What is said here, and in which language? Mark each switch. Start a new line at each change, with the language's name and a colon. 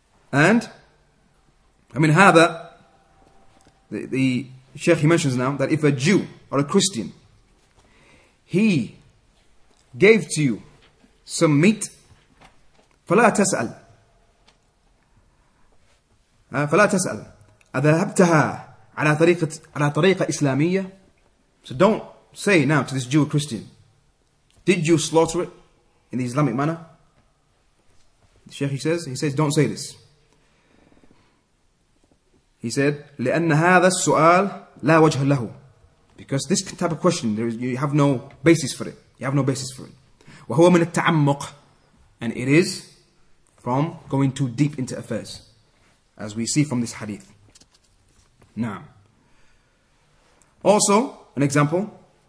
English: And I mean, هذا, the Shaykh he mentions now that if a Jew or a Christian, he gave to you some meat,
Arabic: فلا تسأل. فلا تسأل. أذهبتها على طريقة إسلامية.
English: So don't say now to this Jew or Christian, did you slaughter it in the Islamic manner? The Shaykh he says, don't say this. He said,
Arabic: لأن هذا السؤال لا وجه له.
English: Because this type of question, you have no basis for it.
Arabic: وهو من التعمق.
English: And it is from going too deep into affairs. As we see from this hadith. Now, also, an example.